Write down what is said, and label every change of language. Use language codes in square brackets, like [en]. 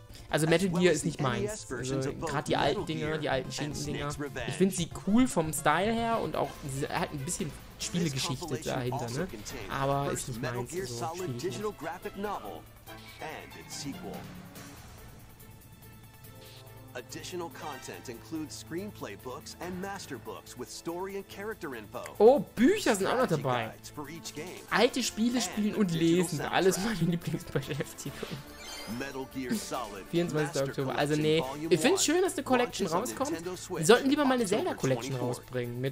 [de] Also Metal Gear ist nicht meins. Also gerade die alten Dinger, die alten Schinken-Dinger. Ich finde sie cool vom Style her und auch halt ein bisschen Spielegeschichte dahinter, ne? Aber ist nicht meins, so spiel ich nicht. [en] Additional content includes screenplay books and master books with story and character info. [de] Oh, Bücher sind auch noch dabei. Alte Spiele spielen und lesen, alles meine Lieblingsbeschäftigung. Metal Gear Solid, 24. Oktober. Also nee, ich finde es schön, dass eine Collection rauskommt. Wir sollten lieber mal eine Zelda-Collection rausbringen.